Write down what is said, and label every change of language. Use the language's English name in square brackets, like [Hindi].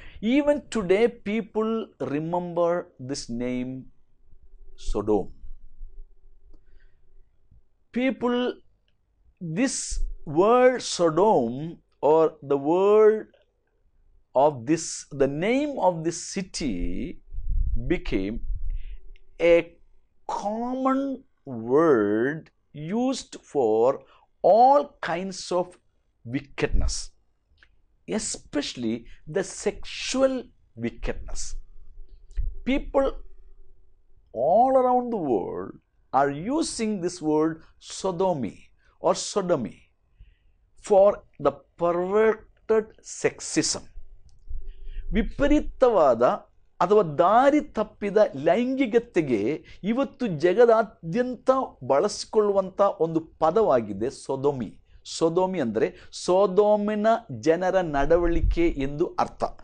[English] Even today people remember this name Sodom. People, this world Sodom are the world of this, the name of this city became a common word used for all kinds of wickedness, especially the sexual wickedness. People all around the world are using this word sodomy or sodomy for the perverted sexism. [Kannada] Viparitavada ಅಥವಾ ದಾರಿ ತಪ್ಪಿದ ಲೈಂಗಿಕತೆಗೆ ಇವತ್ತು ಜಗದಾದ್ಯಂತ ಬಳಸಿಕೊಳ್ಳುವಂಥ ಒಂದು ಪದವಾಗಿದೆ ಸೊದೋಮಿ. ಸೊದೋಮಿ ಅಂದರೆ ಸೊದೋಮಿನ ಜನರ ನಡವಳಿಕೆ ಎಂದು ಅರ್ಥ.